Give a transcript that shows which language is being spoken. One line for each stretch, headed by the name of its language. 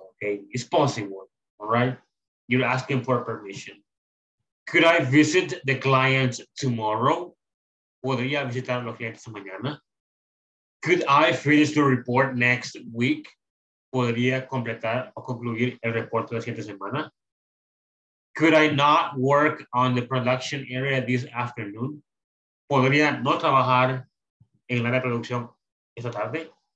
English: Ok. It's possible. All right. You're asking for permission. Could I visit the clients tomorrow?
Spanish: ¿Podría visitar a los clientes mañana?
English: Could I finish the report next week?
Spanish: ¿Podría completar o concluir el reporte de la siguiente semana?
English: Could I not work on the production area this afternoon?
Spanish: ¿Podría no trabajar en la área de producción esta tarde?